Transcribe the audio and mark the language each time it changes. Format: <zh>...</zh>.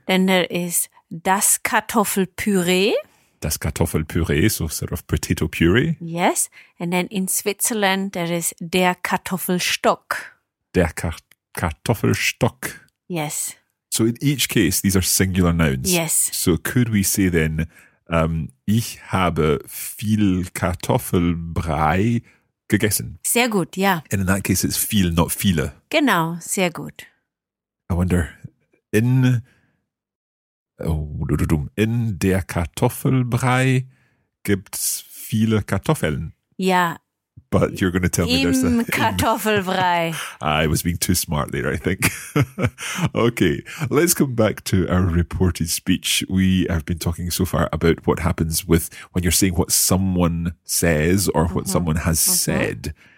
<de>Then there is das Kartoffelpüree.</de> <en>Das Kartoffelpüree, so sort of potato puree. Yes. And then in Switzerland, there is der Kartoffelstock.</en> <de>Der Kartoffelstock.</de> <en>Yes. So in each case, these are singular nouns. Yes. So could we say then,</en> <de>ich habe viel Kartoffelbrei gegessen? Sehr gut, ja.</de> <en>And in that case, it's viel, not viele.</en> <de>Genau, sehr gut.</de> <en>I wonder,</en> <de>in der Kartoffelbrei gibt's viele Kartoffeln. Ja.</de> <en>But you're going to tell me there's a...</en> <de>Kartoffelbrei.</de> <en>I was being too smart there, I think. Okay, let's come back to our reported speech. We have been talking so far about what happens with when you're saying what someone says or what someone has said.</en>